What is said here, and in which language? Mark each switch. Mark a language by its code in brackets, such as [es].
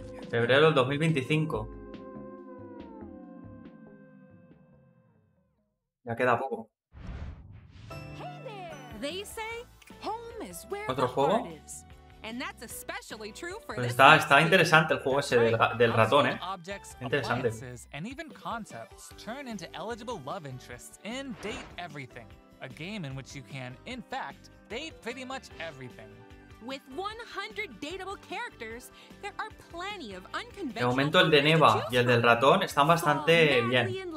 [es] Febrero del 2025. Ya queda poco. [en] They say home is where [es] ¿otro juego? [en] And that's especially true for [es] pues está interesante el juego ese del ratón, ¿eh? Interesante. [en] And even concepts turn into eligible love interests in Date Everything, a game in which you can in fact date pretty much everything. With 100 dateable characters, there are plenty of unconventional. [es] De momento el de Neva y el del ratón están bastante bien.